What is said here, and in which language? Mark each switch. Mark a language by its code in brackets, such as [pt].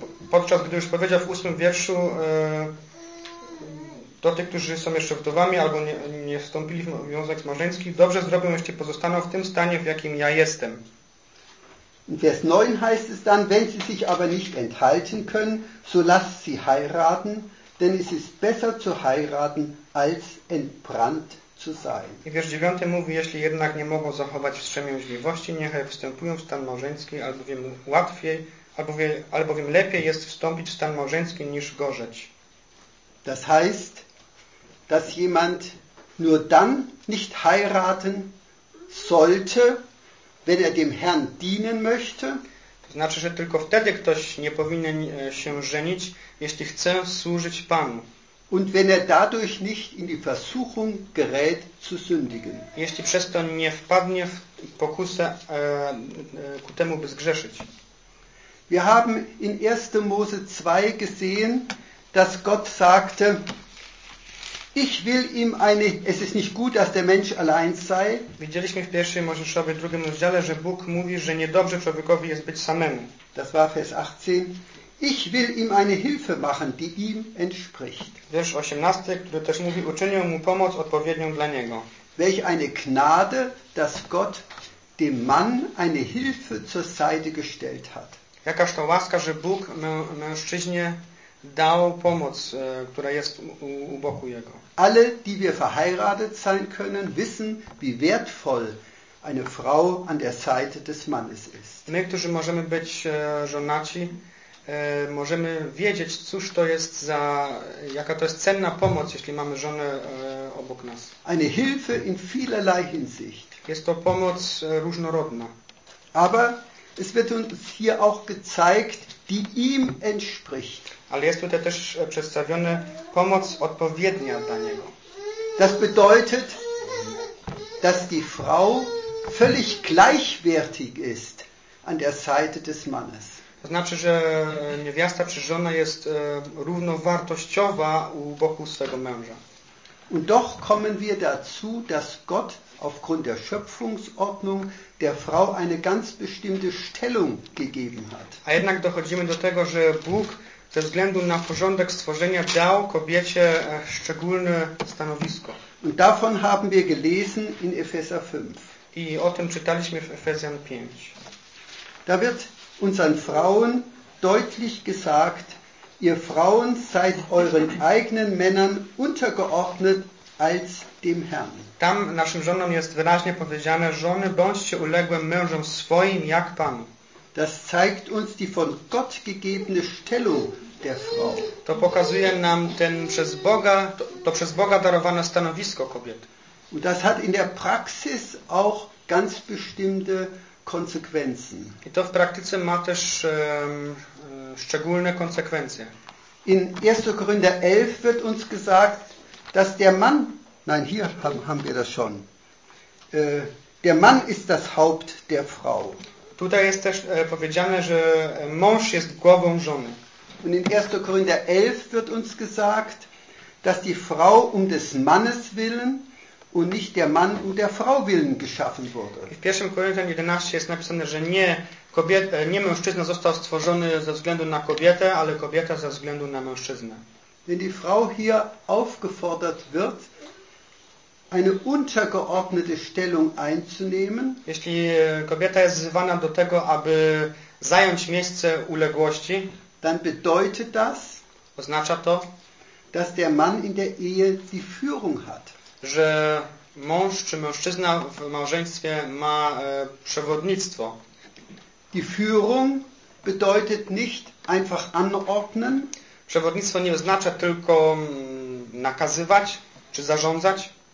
[pl] Podczas gdy już powiedział w 8 wierszu do tych, którzy są jeszcze wdowami albo nie wstąpili w związek małżeński, dobrze zrobią, jeśli pozostaną w tym stanie, w jakim ja jestem. [de] In Vers 9 heißt es dann, wenn sie sich aber nicht enthalten können, so lass sie heiraten, denn es ist besser zu heiraten, als entbrannt zu sein. [pl] I wiersz 9 mówi, jeśli jednak nie mogą zachować wstrzemięźliwości, niechaj wstępują w stan małżeński, albowiem łatwiej albowiem lepiej jest wstąpić w stan małżeński niż gorzeć. [de] Das heißt, dass jemand nur dann nicht heiraten sollte, wenn er dem Herrn dienen möchte. [pl] To znaczy, że tylko wtedy ktoś nie powinien się żenić, jeśli chce służyć Panu. [de] Und wenn er dadurch nicht in die Versuchung gerät zu sündigen. [pl] Jeśli przez to nie wpadnie w pokusę ku temu, by zgrzeszyć. [de] Wir haben in 1. Mose 2 gesehen, dass Gott sagte, ich will ihm eine, es ist nicht gut, dass der Mensch allein sei. [pl] Widzieliśmy w 1. Mojżeszowie 2. rozdziale, że Bóg mówi, że niedobrze człowiekowi jest być samemu. [de] Das war Vers 18. Ich will ihm eine Hilfe machen, die ihm entspricht. [pl] Wiersz 18, który też mówi, uczynię mu pomoc odpowiednią dla niego. [de] Welch eine Gnade, dass Gott dem Mann eine Hilfe zur Seite gestellt hat. [pl] Jakaż to łaska, że Bóg mężczyźnie dał pomoc, która jest u boku jego. [de] Alle, die wir verheiratet sein können, wissen, wie wertvoll eine Frau an der Seite des Mannes ist. [pl] My, którzy możemy być żonaci, możemy wiedzieć, cóż to jest za, jaka to jest cenna pomoc, jeśli mamy żonę obok nas. [de] Eine Hilfe in vielerlei Hinsicht. [pl] Jest to pomoc różnorodna. [de] Aber es wird uns hier auch gezeigt, die ihm entspricht. [pl] Ale jest tutaj też przedstawione pomoc odpowiednia dla niego. [de] Das bedeutet, dass die Frau völlig gleichwertig ist an der Seite des Mannes. [pl] To znaczy, że niewiasta czy żona jest równowartościowa u boku swego męża. [de] Und doch kommen wir dazu, dass Gott aufgrund der Schöpfungsordnung der Frau eine ganz bestimmte Stellung gegeben hat. [pl] A jednak dochodzimy do tego, że Bóg ze względu na porządek stworzenia dał kobiecie szczególne stanowisko. [de] Und davon haben wir gelesen in Epheser 5. [pl] I o tym czytaliśmy w Efezjan 5. [de] Da wird unseren Frauen deutlich gesagt, ihr Frauen seid euren eigenen Männern untergeordnet als dem Herrn. [pl] Tam naszym żonom jest wyraźnie powiedziane, żony, bądźcie uległe mężom swoim jak Panu. [de] Das zeigt uns die von Gott gegebene Stellung der Frau. [pl] To pokazuje nam ten przez Boga, to przez Boga darowane stanowisko kobiety. [de] Und das hat in der Praxis auch ganz bestimmte Konsequenzen. [pl] I to w praktyce ma też szczególne konsekwencje. [de] In 1. Korinther 11 wird uns gesagt, dass der Mann, nein, hier haben wir das schon, der Mann ist das Haupt der Frau. [pl] Tutaj jest też powiedziane, że mąż jest głową żony. [de] Und in 1. Korinther 11 wird uns gesagt, dass die Frau um des Mannes willen und nicht der Mann um der Frau willen geschaffen wurde. [pl] W 1. Korinther 11 jest napisane, że nie mężczyzna został stworzony ze względu na kobietę, ale kobieta ze względu na mężczyznę. [de] Wenn die Frau hier aufgefordert wird, eine untergeordnete Stellung einzunehmen. [pl] Jeśli kobieta jest wzywana do tego, aby zająć miejsce uległości, [de] dann bedeutet das, [pl] oznacza to, [de] dass der Mann in der Ehe die Führung hat. [pl] Że mąż czy mężczyzna w małżeństwie ma przewodnictwo. [de] Die Führung bedeutet nicht einfach anordnen. [pl] Przewodnictwo nie oznacza tylko nakazywać czy zarządzać.